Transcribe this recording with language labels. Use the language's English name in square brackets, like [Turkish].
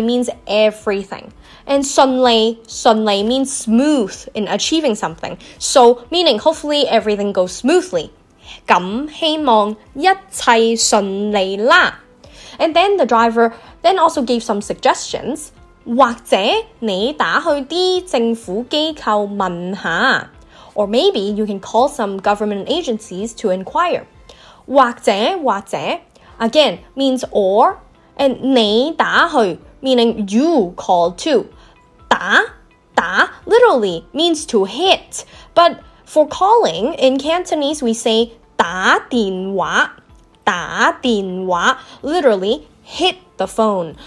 [English] means everything. And 顺利 means smooth in achieving something. So meaning hopefully everything goes smoothly. [Cantonese] 咁希望一切顺利啦。 [English] And then the driver then also gave some suggestions. [Cantonese] 或者你打去啲政府機構問下。 [English] Or maybe you can call some government agencies to inquire. 或者 again means or. And [Cantonese] 你打去 [English] meaning you call to. 打 literally means to hit. But for calling in Cantonese we say [Cantonese] 打電話 [English] literally hit the phone.